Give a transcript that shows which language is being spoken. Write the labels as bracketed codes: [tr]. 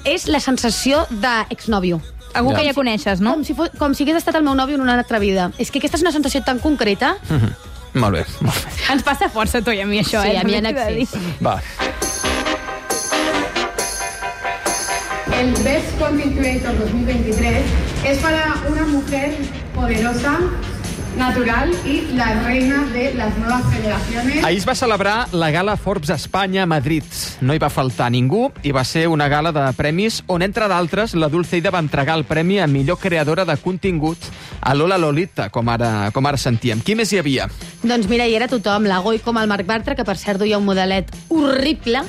[ca] És la sensació d'exnòvio. Algú ja. Que ja coneixes, no? Com si hagués estat el meu nòvio en una altra vida. És que aquesta és una sensació tan concreta... Mm-hmm. Molt bé. Ens passa força, tu i a mi, això, sí, eh? Sí, a mi en excés. Va. [es] El Best Constituente 2023 es para una mujer poderosa, natural y la reina de las nuevas generaciones. [ca] Ahir es va celebrar la gala Forbes España a Madrid. No hi va faltar ningú i va ser una gala de premis on, entre d'altres, la Dulceida va entregar el premi a millor creadora de contingut a Lola Lolita, com ara sentíem. Qui més hi havia? Doncs mira, hi era tothom, la Goico amb el Marc Bartra, que per cert duia un modelet horrible.